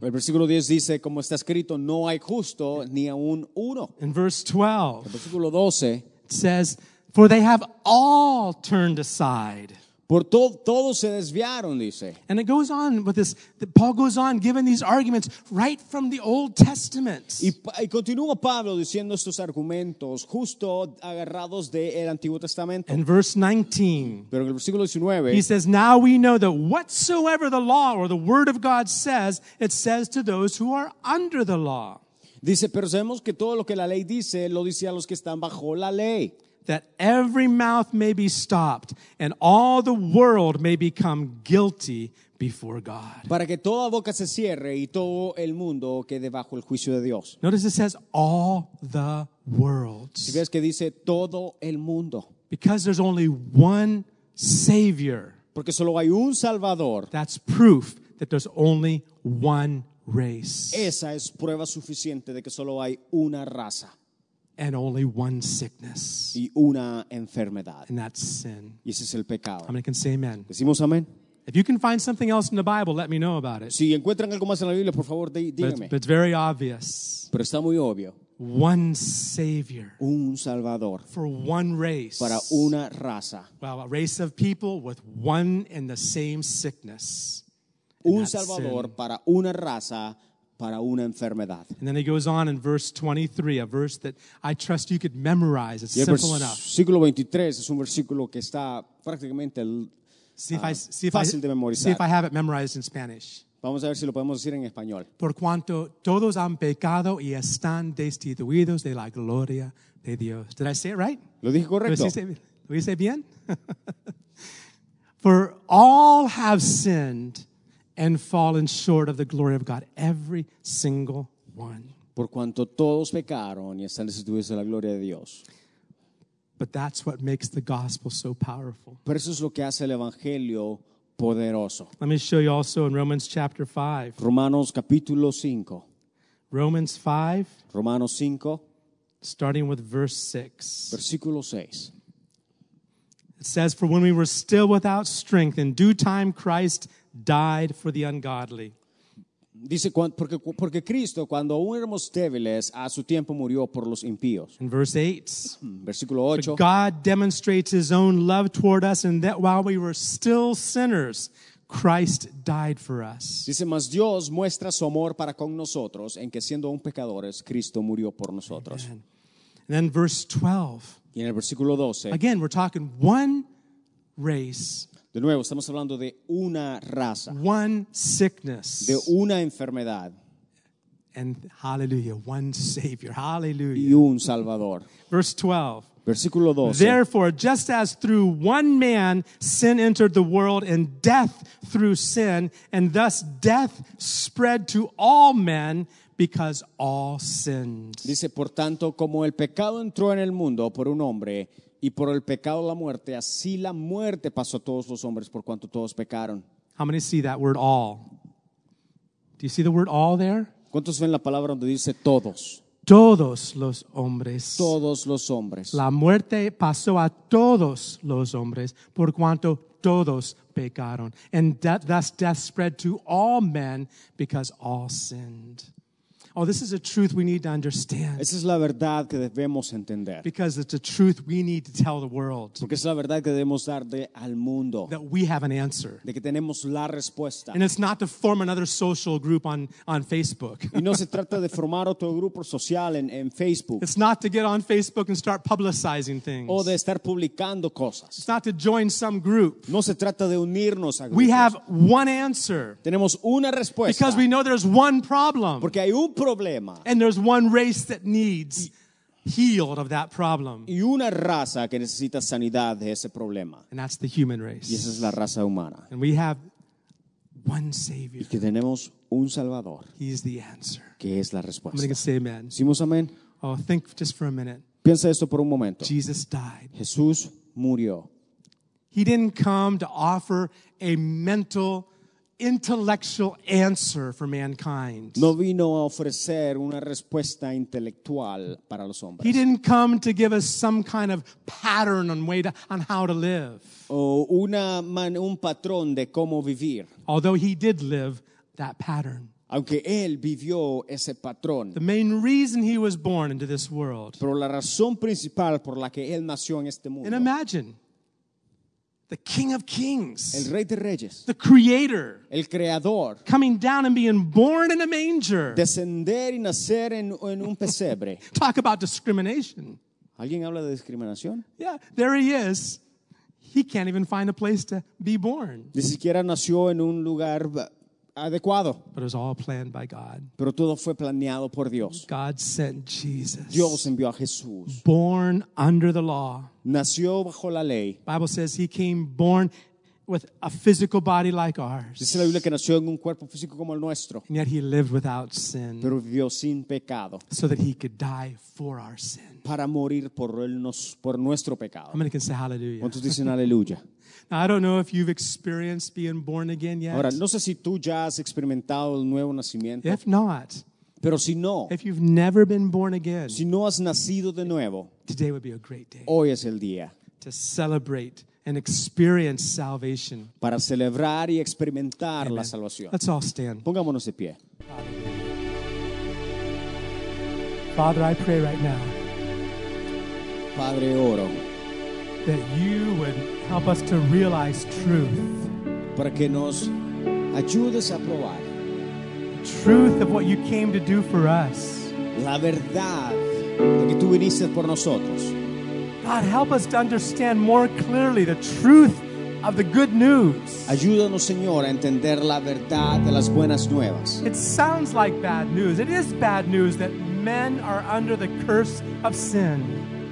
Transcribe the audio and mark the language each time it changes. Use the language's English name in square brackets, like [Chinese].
[Spanish] El versículo 10 dice, como está escrito, no hay justo ni aun uno. [English] In verse 12, [Spanish] el versículo 12, [English] it says, for they have all turned aside. [Spanish] Por todos se desviaron, dice. [English] And it goes on with this, Paul goes on giving these arguments right from the Old Testament. [Spanish] Y continúa Pablo diciendo estos argumentos justo agarrados del Antiguo Testamento. [English] In verse 19, [Spanish] pero en el versículo 19, [English] he says, now we know that whatsoever the law or the word of God says, it says to those who are under the law. [Spanish] Dice, pero sabemos que todo lo que la ley dice, lo dice a los que están bajo la ley. [English] That every mouth may be stopped and all the world may become guilty before God. [Spanish] Para que toda boca se cierre y todo el mundo quede bajo el juicio de Dios. [English] Notice it says all the world. [Spanish] Si ves que dice todo el mundo. [English] Because there's only one Savior. [Spanish] Porque solo hay un Salvador. [English] That's proof that there's only one race. [Spanish] Esa es prueba suficiente de que solo hay una raza. [English] And only one sickness. [Spanish] Y una enfermedad. [English] And that's sin. [Spanish] Y ese es el pecado. [English] How many can say amen? [Spanish] Decimos amén. [English] If you can find something else in the Bible, let me know about it. [Spanish] Si encuentran algo más en la Biblia, por favor, dígame. [English] But it's very obvious. [Spanish] Pero está muy obvio. [English] One Savior. [Spanish] Un Salvador. [English] For one race. [Spanish] Para una raza. [English] Well, a race of people with one and the same sickness. [Spanish] Un Salvador para una raza, para una enfermedad. [English] And then he goes on in verse 23, a verse that I trust you could memorize. It's simple enough. [Spanish] Versículo 23 es un versículo que está prácticamente fácil de memorizar. [English] See if I have it memorized in Spanish. [Spanish] Vamos a ver si lo podemos decir en español. Por cuanto todos han pecado y están destituidos de la gloria de Dios. [English] Did I say it right? [Spanish] Lo dije correcto. ¿Lo hice bien? [English] For all have sinned and fallen short of the glory of God. Every single one. [Spanish] Por cuanto todos pecaron y están destituidos de la gloria de Dios. [English] But that's what makes the gospel so powerful. [Spanish] Pero eso es lo que hace el evangelio poderoso. [English] Let me show you also in Romans chapter 5. [Spanish] Romanos capítulo 5. [English] Romans 5. [Spanish] Romanos 5. [English] Starting with verse 6. [Spanish] Versículo 6. [English] It says, for when we were still without strength, in due time Christ died for the ungodly. [Spanish] Dice, porque Cristo, cuando aún éramos débiles, a su tiempo murió por los impíos. [English] In verse 8. [Spanish] Versículo 8. [English] But God demonstrates his own love toward us, and that while we were still sinners, Christ died for us. [Spanish] Dice, mas Dios muestra su amor para con nosotros, en que siendo aún pecadores, Cristo murió por nosotros. [English] Amen. And then verse 12. [Spanish] Y en el versículo 12. [English] Again, we're talking one race. [Spanish] De nuevo, estamos hablando de una raza. [English] One sickness. [Spanish] De una enfermedad. [English] And hallelujah, one Savior. Hallelujah. [Spanish] Y un Salvador. [English] Verse 12. [Spanish] Versículo 12. [English] Therefore, just as through one man sin entered the world and death through sin, and thus death spread to all men because all sinned. [Spanish] Dice, por tanto, como el pecado entró en el mundo por un hombre, y por el pecado la muerte, así la muerte pasó a todos los hombres por cuanto todos pecaron. [English] How many see that word all? Do you see the word all there? [Spanish] ¿Cuántos ven la palabra donde dice todos? Todos los hombres. Todos los hombres. La muerte pasó a todos los hombres por cuanto todos pecaron. [English] And thus death spread to all men because all sinned. Oh, this is a truth we need to understand. [Spanish] Esa es la verdad que debemos entender. [English] Because it's a truth we need to tell the world. [Spanish] Porque es la verdad que debemos darle al mundo. [English] That we have an answer. [Spanish] De que tenemos la respuesta. [English] And it's not to form another social group on Facebook. [Spanish] Y no se trata de formar otro grupo social en Facebook. [English] It's not to get on Facebook and start publicizing things. [Spanish] O de estar publicando cosas. [English] It's not to join some group. [Spanish] No se trata de unirnos a grupos. [English] We have one answer. [Spanish] Tenemos una respuesta. [English] Because we know there's one problem. [Spanish] Porque hay un problema. [English] And there's one race that needs healed of that problem. [Spanish] Y una raza que necesita sanidad de ese problema. [English] And that's the human race. [Spanish] Y esa es la raza humana. [English] And we have one Savior. [Spanish] Y que tenemos un Salvador. [English] He is the answer. [Spanish] Que es la respuesta. [English] I'm going to say amen. [Spanish] ¿Decimos amén? [English] Oh, think just for a minute. [Spanish] Piensa esto por un momento. [English] Jesus died. [Spanish] Jesús murió. [English] He didn't come to offer a mental intellectual answer for mankind. [Spanish] No vino a ofrecer una respuesta intelectual para los hombres. [English] He didn't come to give us some kind of pattern on way to, on how to live. [Spanish] O un patrón de cómo vivir. [English] Although he did live that pattern. [Spanish] Aunque él vivió ese patrón. [English] The main reason he was born into this world. [Spanish] Pero la razón principal por la que él nació en este mundo. [English] And imagine. The King of Kings. [Spanish] El Rey de Reyes. [English] The Creator. [Spanish] El Creador. [English] Coming down and being born in a manger. [Spanish] Descender y nacer en un pesebre. [English] Talk about discrimination. [Spanish] ¿Alguien habla de discriminación? [English] Yeah, there he is. He can't even find a place to be born. [Spanish] Ni siquiera nació en un lugar adecuado. [English] But it was all planned by God. [Spanish] Pero todo fue planeado por Dios. [English] God sent Jesus. [Spanish] Dios envió a Jesús. [English] Born under the law. [Spanish] Nació bajo la ley. [English] Bible says he came born with a physical body like ours. [Spanish] Dice la Biblia que nació en un cuerpo físico como el nuestro. [English] And yet he lived without sin. [Spanish] Pero vivió sin pecado. [English] So that he could die for our sin. [Spanish] Para morir por él nos por nuestro pecado. [English] How many can say hallelujah? [Spanish] ¿Cuántos dicen aleluya? [English] Now, I don't know if you've experienced being born again yet. [Spanish] Ahora, no sé si tú ya has experimentado el nuevo nacimiento. [English] If not, [Spanish] pero si no, [English] if you've never been born again, [Spanish] si no has nacido de nuevo, [English] today would be a great day. [Spanish] Hoy es el día [English] to celebrate and experience salvation. [Spanish] Para celebrar y experimentar la salvación. [English] Let's all stand. [Spanish] Pongámonos de pie. [English] Father, I pray right now. [Spanish] Padre, oro. [English] That you would help us to realize truth. [Spanish] Para que nos ayudes a probar. [English] Truth of what you came to do for us. [Spanish] La verdad de que tú viniste por nosotros. [English] God, help us to understand more clearly the truth of the good news. [Spanish] Ayúdanos, Señor, a entender la verdad de las buenas nuevas. [English] It sounds like bad news. It is bad news that men are under the curse of sin.